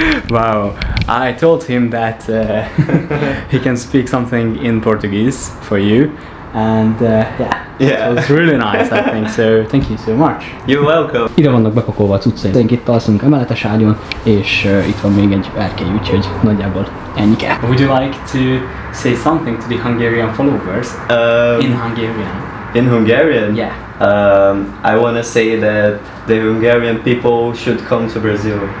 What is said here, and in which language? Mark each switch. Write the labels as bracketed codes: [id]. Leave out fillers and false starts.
[en] Wow, I told him that he can speak something in Portuguese for you, and yeah, it was really nice, I think, so thank you so much. You're welcome. [hu] Ide vannak bepakolva a cuccaink, itt alszunk emeletes ágyon, és itt van még egy erkély, úgyhogy nagyjából ennyike. [en] Would you like to say something to the Hungarian followers in Hungarian? In Hungarian? Yeah. I want to say that the Hungarian people should come to Brazil.